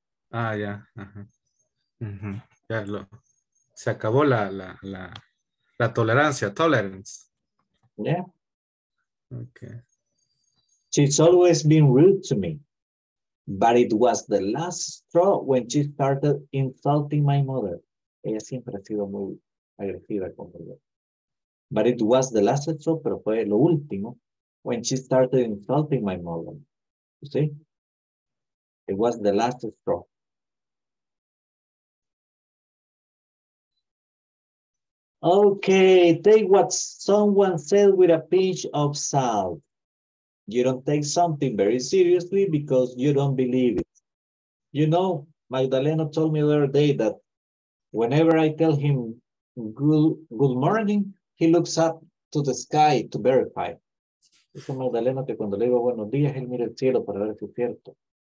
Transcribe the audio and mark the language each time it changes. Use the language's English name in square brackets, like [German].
[Spanish] Ah, ya. Ya lo, se acabó la tolerancia, tolerance. [English] Yeah. Okay. She's always been rude to me, but it was the last straw when she started insulting my mother. [Spanish] Ella siempre ha sido muy agresiva con ella. [English] But it was the last straw, [Spanish] pero fue lo último, [English] when she started insulting my mother. You see? It was the last straw. Okay, take what someone said with a pinch of salt. You don't take something very seriously because you don't believe it. You know, Magdalena told me the other day that whenever I tell him good morning, he looks up to the sky to verify. [Spanish] Dice Magdalena que cuando le digo buenos días, él mira el cielo para ver si es cierto.